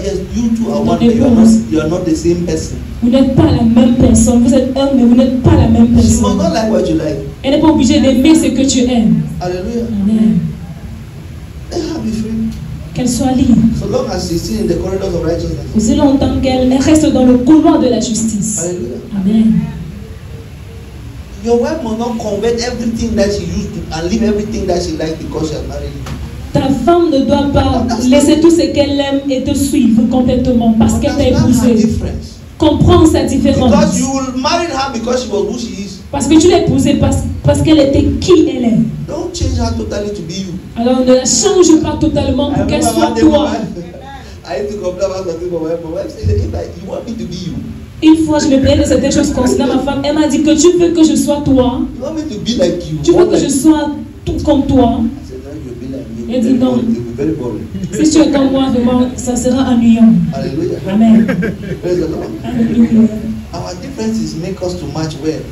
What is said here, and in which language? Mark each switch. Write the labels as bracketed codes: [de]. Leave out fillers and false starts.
[en] Yes, you two are one, but you are not the same person. [fr] Vous n'êtes pas la même personne. Vous êtes un, mais vous n'êtes pas la même personne. [en] She must not like what you like. [fr] Elle n'est pas obligée d'aimer ce que tu aimes. Alléluia. Amen. [en] Let her be free. [fr] Qu'elle soit libre. [en] So long as she's still in the corridors of righteousness. [fr] Aussi longtemps qu'elle reste dans le couloir de la justice. Alléluia. Amen. [en] Your wife must not convert everything that she used to and leave everything that she liked because she has married you. [fr] Ta femme ne doit pas laisser tout ce qu'elle aime et te suivre complètement parce qu'elle t'a épousée. Comprends sa différence. [en] Because you married her because she was who she is. [fr] Parce que tu l'as épousée parce qu'elle était qui elle est. [en] Don't change her totally to be you. [fr] Alors ne la change pas totalement pour qu'elle soit toi. [en] I have to complain about something for my wife. She said, "If you want me to be you." [fr] Une fois, je me plaignais de certaines choses concernant ma femme. Elle m'a dit que tu veux que je sois toi. [en] You want me to be like you. [fr] Tu veux que [en] like [fr] je sois tout comme toi. Elle dit non. Si tu es comme moi, demain, ça sera ennuyant. Alléluia. Amen. [en] Alléluia. Our differences make us to match well.